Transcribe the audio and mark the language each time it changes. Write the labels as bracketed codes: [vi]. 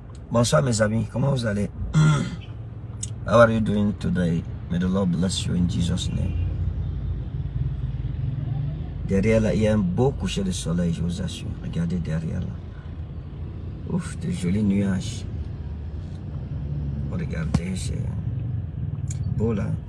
[fr] Bonsoir mes amis, comment vous allez? [en] How are you doing today? May the Lord bless you in Jesus' name. [fr] Derrière là, il y a un beau coucher de soleil, je vous assure. Regardez derrière là. Ouf, de jolis nuages. Regardez, c'est beau là.